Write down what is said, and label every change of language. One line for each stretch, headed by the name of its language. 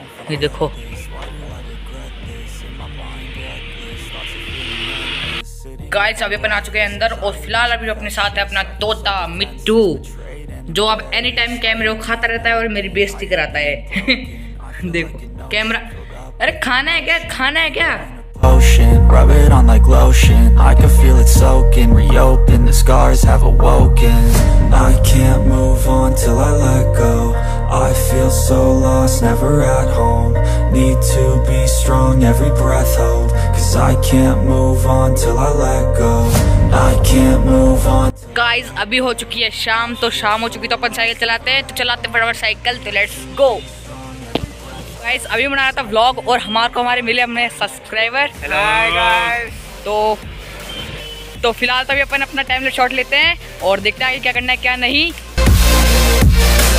Hindi: ये देखो, गाइस अभी अपन आ चुके हैं अंदर, और फिलहाल अभी अपने साथ है अपना तोता मिट्टू, जो अब एनी टाइम कैमरे को खाता रहता है और मेरी बेइज्जती कराता है। देखो कैमरा, अरे खाना है क्या।
English: Ocean, rub it on like lotion. I can feel it soaking, reopen, the scars have awoken. I can't move on till I let go. I feel so lost, never at home. Need to be strong, every breath hold. Cause I can't move on till I let go. I can't move on.
Hindi: Guys, अभी हो चुकी है शाम, तो शाम हो चुकी तो अपन साइकिल चलाते हैं, तो चलाते फटाफट साइकिल, तो
English: Let's go.
Hindi: गाइस अभी बना रहा था व्लॉग, और हमारे मिले हमने सब्सक्राइबर। हेलो गाइस, तो फिलहाल तो अभी अपन अपना टाइम लेट शॉट लेते हैं, और देखते हैं आगे क्या करना है क्या नहीं।